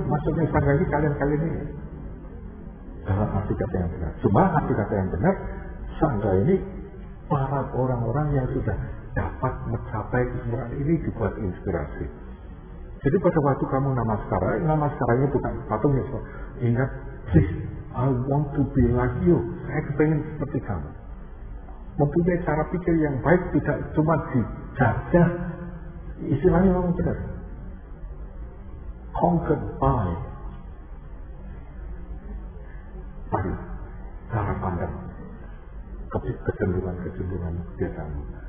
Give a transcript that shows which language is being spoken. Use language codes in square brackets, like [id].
[id] Maksudnya sangga ini kalian-kalian ini. Dalam arti kata yang benar. Cuma arti kata yang benar, sangga ini para orang-orang yang sudah dapat mencapai kesempurnaan ini dibuat inspirasi. Jadi pada waktu kamu namaskara, namaskaranya bukan patungnya. [en] So, [id] ingat, [en] please, I want to be like you. [id] Saya ingin seperti kamu. Mempunyai cara pikir yang baik, tidak cuma dijajah. Istilahnya memang benar. [en] Conquered by. [id] Mari, cara pandang. Kecenderungan-kecenderungan di kamu.